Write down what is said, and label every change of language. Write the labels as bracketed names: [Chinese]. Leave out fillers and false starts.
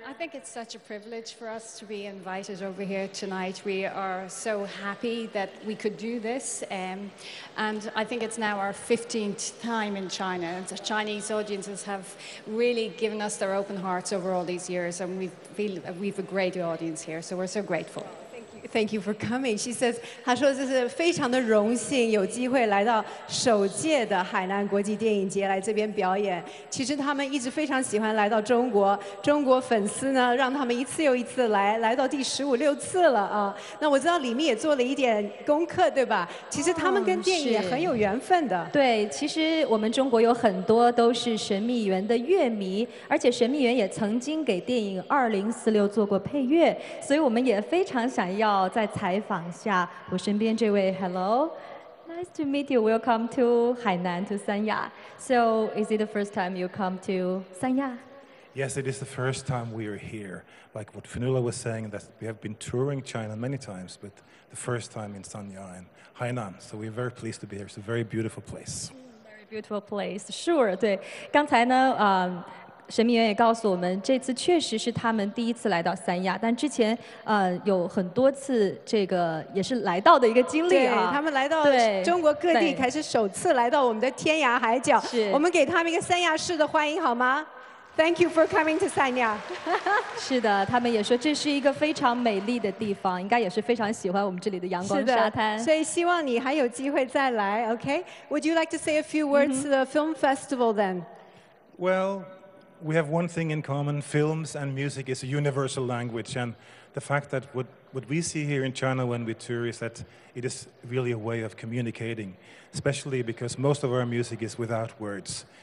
[English] I think it's such a privilege for us to be invited over here tonight. We are so happy that we could do this. And I think it's now our 15th time in China. And the Chinese audiences have really given us their open hearts over all these years. And we feel we have a great audience here. So we're so grateful. Thank you for coming. She says, [Chinese] 她说这是非常的荣幸有机会来到首届的海南国际电影节来这边表演。其实他们一直非常喜欢来到中国，中国粉丝呢让他们一次又一次来到第十五六次了啊。那我知道李密也做了一点功课，对吧？其实他们跟电影也很有缘分的。对，其实我们中国有很多都是神秘园的乐迷，而且神秘园也曾经给电影2046做过配乐，所以我们也非常想要在采访下我身边这位 [English] Hello, nice to meet you, welcome to Hainan, to Sanya. So is it the first time you come to Sanya? Yes, it is the first time we are here. Like what Fionnuala was saying, that we have been touring China many times, but the first time in Sanya and Hainan. So we're very pleased to be here. It's a very beautiful place. Very beautiful place, sure. [Chinese] 对，刚才呢神秘园也告诉我们，这次确实是他们第一次来到三亚，但之前有很多次这个也是来到的一个经历啊。对，他们来到中国各地，开始首次来到我们的天涯海角。是，我们给他们一个三亚式的欢迎好吗 ？ [English] Thank you for coming to [Chinese] 三亚。是的，他们也说这是一个非常美丽的地方，应该也是非常喜欢我们这里的阳光沙滩。所以希望你还有机会再来 ，OK？ [English] Would you like to say a few words、mm-hmm. to the film festival then？ Well. We have one thing in common, films and music is a universal language, and the fact that what we see here in China when we tour is that it is really a way of communicating, especially because most of our music is without words.